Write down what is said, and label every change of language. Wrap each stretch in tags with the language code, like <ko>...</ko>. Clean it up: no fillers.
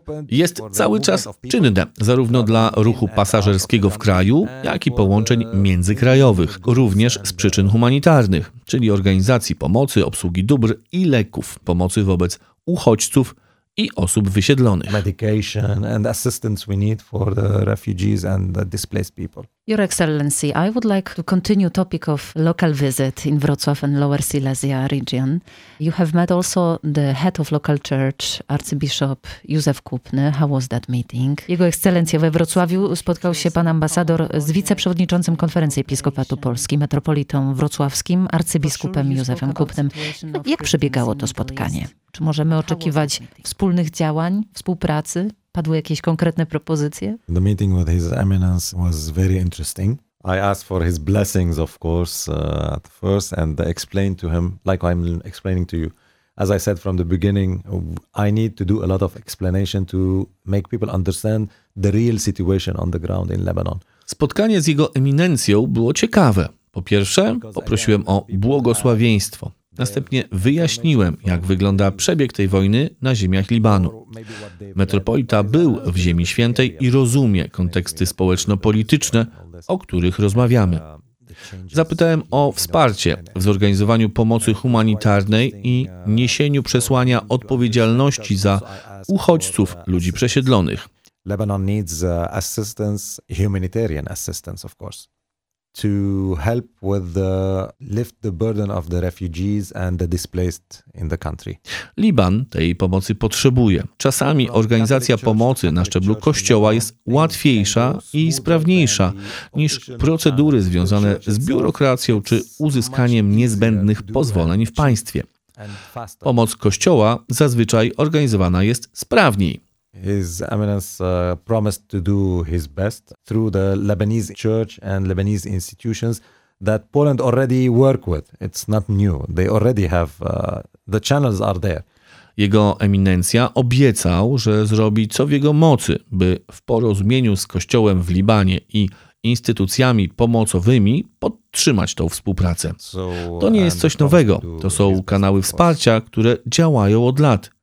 <pl>Jest cały czas czynne, zarówno dla ruchu pasażerskiego w kraju, jak i połączeń międzykrajowych, również z przyczyn humanitarnych, czyli organizacji pomocy, obsługi dóbr i leków, pomocy wobec uchodźców i osób wysiedlonych.</pl> <en>Medication and assistance we need for the refugees and the displaced people. Your Excellency, I would like to continue topic of local visit in Wrocław and Lower Silesia region. You have met also the head of local church, Arcybishop Józef Kupny. How was that meeting?</en> <pl>Jego Ekscelencja, we Wrocławiu spotkał się pan ambasador z wiceprzewodniczącym Konferencji Episkopatu Polski, metropolitą wrocławskim, arcybiskupem Józefem Kupnym. Jak przebiegało to spotkanie? Czy możemy oczekiwać wspólnych działań, współpracy? Padły jakieś konkretne propozycje?</pl> <en>The meeting with His Eminence was very interesting. I asked for his blessings, of course, at first, and explained to him, like I'm explaining to you. As I said from the beginning, I need to do a lot of explanation to make people understand the real situation on the ground in Lebanon.</en> <pl>Spotkanie z jego eminencją było ciekawe. Po pierwsze, poprosiłem o błogosławieństwo. Następnie wyjaśniłem, jak wygląda przebieg tej wojny na ziemiach Libanu. Metropolita był w Ziemi Świętej i rozumie konteksty społeczno-polityczne, o których rozmawiamy. Zapytałem o wsparcie w zorganizowaniu pomocy humanitarnej i niesieniu przesłania odpowiedzialności za uchodźców, ludzi przesiedlonych.</pl> <en>Lebanon needs assistance, humanitarian assistance, of course. To help with the lift the burden of the refugees and the displaced in the country.</en> <pl>Liban tej pomocy potrzebuje. Czasami organizacja pomocy na szczeblu kościoła jest łatwiejsza i sprawniejsza niż procedury związane z biurokracją czy uzyskaniem niezbędnych pozwoleń w państwie. Pomoc kościoła zazwyczaj organizowana jest sprawniej.</pl> <en>His Eminence promised to do his best through the Lebanese church and Lebanese institutions that Poland already work with. It's not new. They already have the channels are there.</en> <pl>Jego Eminencja obiecał, że zrobi co w jego mocy, by w porozumieniu z kościołem w Libanie i instytucjami pomocowymi podtrzymać tą współpracę. To nie jest coś nowego. To są kanały wsparcia, które działają od lat.</pl>